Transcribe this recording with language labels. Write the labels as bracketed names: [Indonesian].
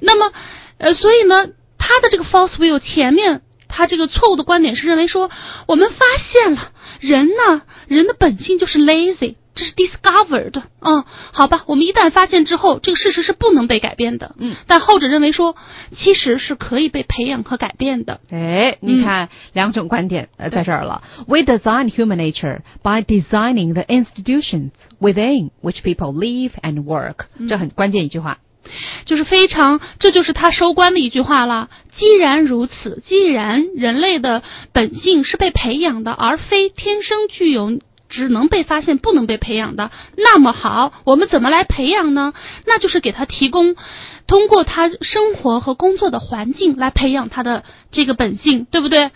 [Chinese] 那么，所以呢，他的这个 false view 前面，他这个错误的观点是认为说，我们发现了人呢，人的本性就是 lazy， 这是 discovered。嗯，好吧，我们一旦发现之后，这个事实是不能被改变的。嗯，但后者认为说，其实是可以被培养和改变的。哎，你看，嗯，两种观点在这儿了。 [English] We design human nature by designing the institutions within which people live and work。 [Chinese] 嗯，这很关键一句话。就是非常，这就是他收官的一句话了。既然如此，既然人类的本性是被培养的，而非天生具有，只能被发现不能被培养的，那么好，我们怎么来培养呢？那就是给他提供，通过他生活和工作的环境来培养他的这个本性，对不对？